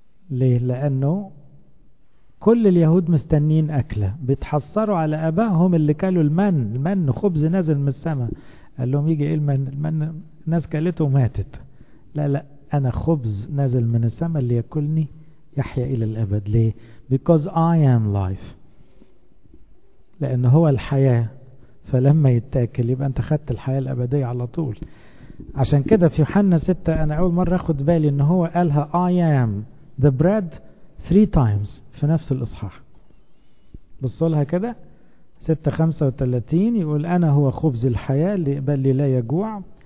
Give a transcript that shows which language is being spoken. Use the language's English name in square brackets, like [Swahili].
[Arabic] ليه؟ لانه كل اليهود مستنين أكلة, بيتحصروا على أبائهم اللي كانوا المن. المن خبز نازل من السماء. قال لهم يجي إيه المن؟ المن ناس كلته ماتت. لا لا, أنا خبز نازل من السماء اللي يأكلني يحيا إلى الأبد. ليه؟ [English] Because I am life. [Arabic] لأن هو الحياة, فلما يتأكل يبقى أنت خدت الحياة الأبدية على طول. عشان كده في يوحنا 6 أنا أول مرة أخد بالي أنه هو قالها [English] I am the bread 3 times [Arabic] في نفس الإصحاح. بصولها كده 6:35 يقول أنا هو خبز الحياة اللي يقبل لي لا يجوع.